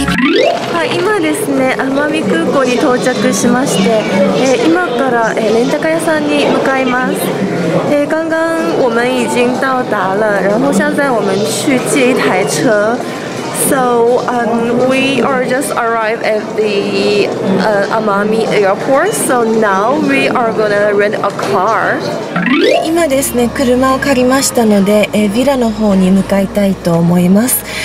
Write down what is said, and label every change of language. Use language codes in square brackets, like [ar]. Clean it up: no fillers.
[ja] 空港に到着しまして、今から、レンタカー屋さんに向かいます。 [zh] 刚刚我们已经到达了，然后现在我们去借一台车。 [en] So, we are just arrived at the Amami Airport. So now we are gonna rent a car. [ja] 今ですね、車を借りましたので、ヴィラの方に向かいたいと思います。